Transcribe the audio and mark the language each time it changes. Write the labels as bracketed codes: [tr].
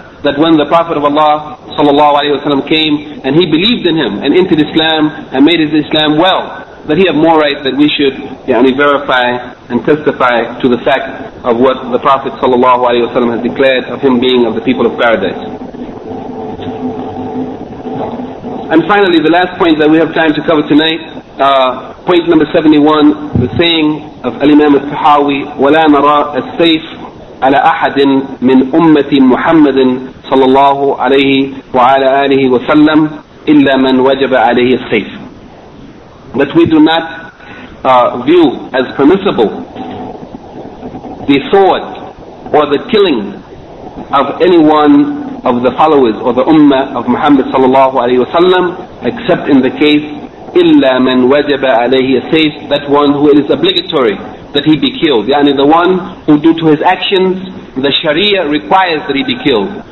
[en] that when the Prophet of Allah sallallahu alayhi wa sallam came, and he believed in him, and entered Islam, and made his Islam well, that he have more right that we should verify and testify to the fact of what the Prophet sallallahu alayhi wa sallam has declared of him being of the people of paradise. And finally, the last point that we have time to cover tonight, point number 71, the saying of Al-Imam Al-Tahawi, [ar] وَلَا نَرَى السَّيْفِ على أحد من أمة محمد صلى الله عليه وعلى آله وسلم إلا من وجب عليه الصيف. [en] That we do not view as permissible the sword or the killing of anyone of the followers or the ummah of Muhammad sallallahu alayhi wa sallam, except in the case [ar] illa man wajaba alayhi as-sayf, [en] that one who it is obligatory that he be killed, yani the one who due to his actions the sharia requires that he be killed.